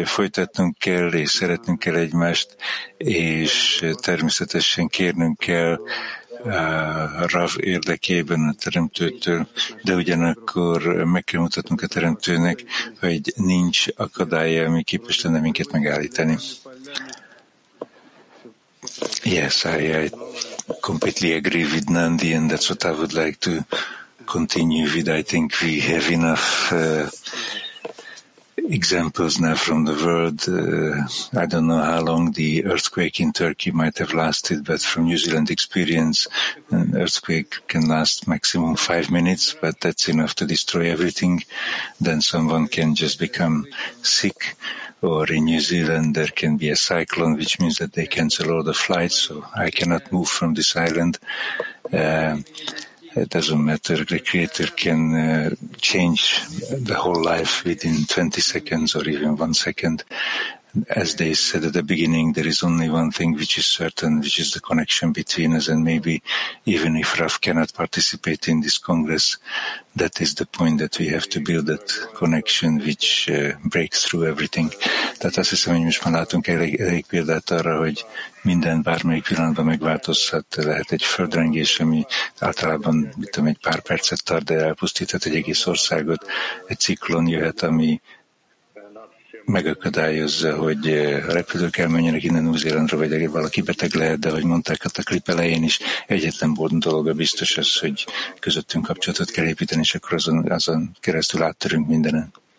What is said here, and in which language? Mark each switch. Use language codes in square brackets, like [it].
[hu] Folytatnunk kell, és szeretnünk kell egymást, és természetesen kérnünk kell Rav érdekében a Teremtőtől, de ugyanakkor meg kell mutatnunk a Teremtőnek, hogy nincs akadálya, ami képes lenne minket megállítani. [en] Yes, I completely agree with Nandi, and that's what I would like to continue with. I think we have enough examples now from the world. I don't know how long the earthquake in Turkey might have lasted, but from New Zealand experience, an earthquake can last maximum 5 minutes, but that's enough to destroy everything. Then someone can just become sick. Or in New Zealand, there can be a cyclone, which means that they cancel all the flights, so I cannot move from this island. It doesn't matter. The Creator can change the whole life within 20 seconds or even 1 second. As they said at the beginning, there is only one thing which is certain, which is the connection between us. And maybe even if Rav cannot participate in this Congress, that is the point that we have to build that connection which breaks through everything. [hu] Tehát azt hiszem, hogy most már látunk elég példát arra, hogy minden bármelyik pillanatban megváltozhat, lehet egy földrengés, ami általában, mit tudom, egy pár percet tart, de elpusztíthat egy egész országot, egy ciklon jöhet, ami megakadályozza, hogy repülők elmenjenek innen Új-Zélandra, vagy valaki beteg lehet, de ahogy mondták a klip elején is, egyetlen dolog a biztos az, hogy közöttünk kapcsolatot kell építeni, és akkor azon keresztül áttörünk mindenen.